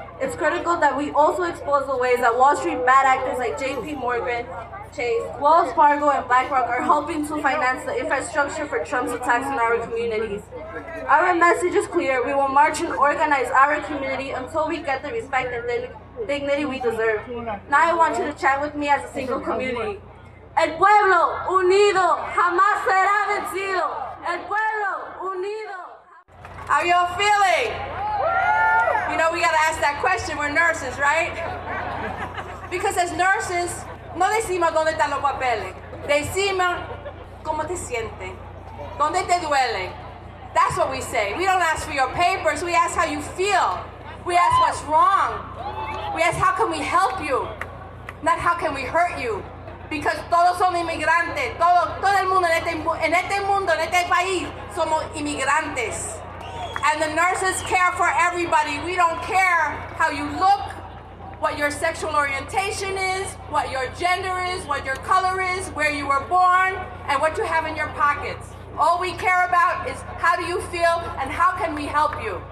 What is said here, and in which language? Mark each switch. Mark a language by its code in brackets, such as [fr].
[en] It's critical that we also expose the ways that Wall Street bad actors like JP Morgan, Chase, Wells Fargo, and BlackRock are helping to finance the infrastructure for Trump's attacks on our communities. Our message is clear. We will march and organize our community until we get the respect and dignity we deserve. Now I want you to chat with me as a single community. [es] El pueblo unido jamás será vencido. El pueblo unido. [en] How are y'all feeling? You know, we gotta ask that question. We're nurses, right? Because as nurses, [es] no decimos dónde están los papeles. Decimos cómo te sientes. Dónde te duele. [en] That's what we say. We don't ask for your papers. We ask how you feel. We ask what's wrong. We ask how can we help you, not how can we hurt you. Because [es] todos son inmigrantes. Todo el mundo en este mundo, en este país, somos inmigrantes. [en] And the nurses care for everybody. We don't care how you look, what your sexual orientation is, what your gender is, what your color is, where you were born, and what you have in your pockets. All we care about is how do you feel and how can we help you.